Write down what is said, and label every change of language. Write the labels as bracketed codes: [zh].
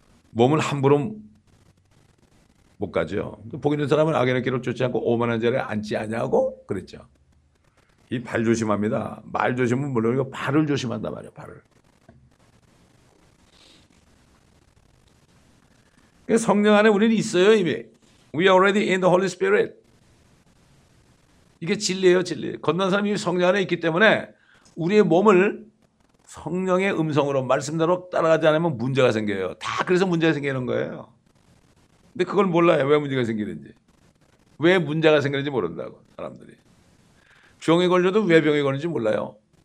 [ko] 몸을 함부로 못 가죠. 복 있는 사람은 악인의 길을 쫓지 않고 오만한 자리에 앉지 않냐고 그랬죠. 이 발 조심합니다. 말 조심은 물론이고 발을 조심한단 말이에요. 발을. 성령 안에 우리는 있어요 이미. [en] We are already in the Holy Spirit. [ko] 이게 진리예요 진리. 건너는 사람이 성령 안에 있기 때문에 우리의 몸을 성령의 음성으로 말씀대로 따라가지 않으면 문제가 생겨요. 다 그래서 문제가 생기는 거예요. 근데 그걸 몰라요. 왜 문제가 생기는지. 왜 문제가 생기는지 모른다고 사람들이. 병에 걸려도 왜 병에 걸리는지 몰라요.